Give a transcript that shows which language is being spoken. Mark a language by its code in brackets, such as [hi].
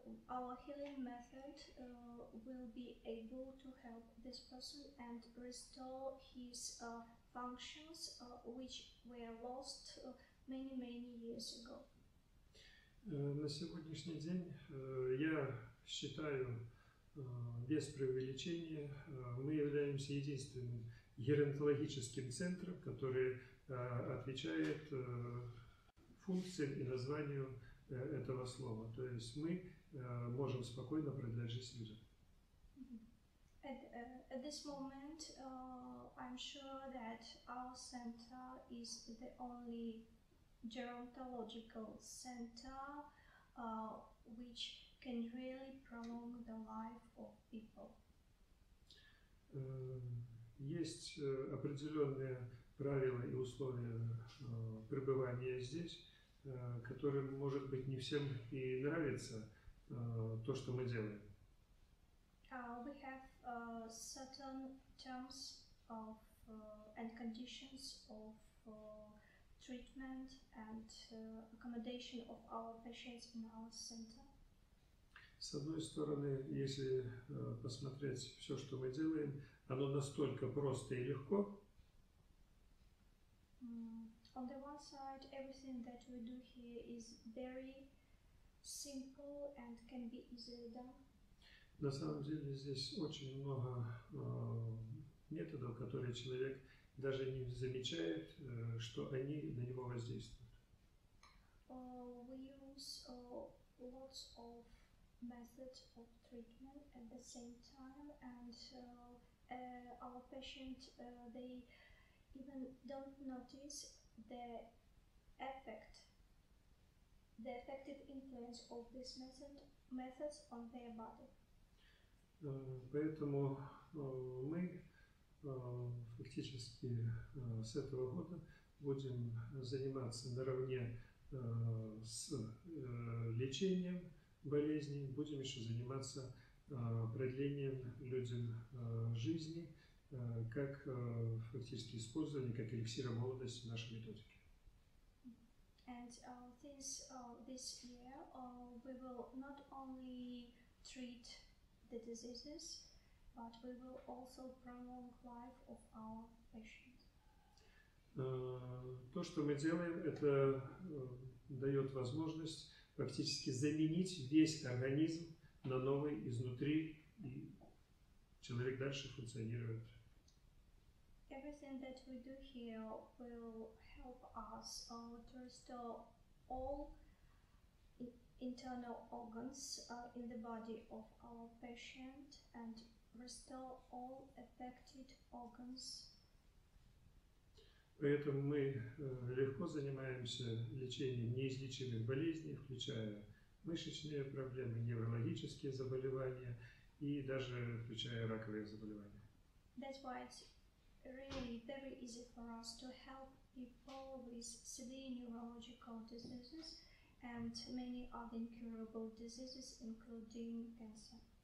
[en] Our healing method will be able to help this person and restore his functions which were lost many, many years ago. [ru] На сегодняшний день я считаю, без преувеличения, мы являемся единственным геронтологическим центром, который отвечает функциям и названию этого слова. То есть мы можем спокойно продлять жизнь людям. [en] At this moment, I'm sure that our center is the only gerontological center which can really prolong the life of people. [ru] Есть определенные правила и условия пребывания здесь, которым, может быть, не всем и нравится то, что мы делаем. [en] We have certain terms of and conditions of treatment and accommodation of our patients in our center. [ru] С одной стороны, если посмотреть все, что мы делаем, оно настолько просто и легко. [en] On the one side, everything that we do here is very simple and can be easily done. [ru] На самом деле здесь очень много методов, которые человек даже не замечает, что они на него воздействуют. [en] We use lots of methods of treatment at the same time, and our patient, they even don't notice the effect, the effective influence of this methods on their body. [ru] Поэтому мы фактически с этого года будем заниматься наравне с лечением болезни, будем еще заниматься продлением людям жизни, как фактически использование, как эликсира молодости в нашей методике. [en] And this year we will not only treat the diseases, but we will also prolong life of our patients. [ru] То, что мы делаем, это дает возможность фактически заменить весь организм на новый изнутри, и человек дальше функционирует. [en] Everything that we do here will help us to restore all internal organs in the body of our patient and restore all affected organs. [ru] Поэтому мы легко занимаемся лечением неизлечимых болезней, включая мышечные проблемы, неврологические заболевания и даже включая раковые заболевания. [en] That's why it's really very easy for us to help people with severe neurological diseases and many other incurable diseases, including cancer.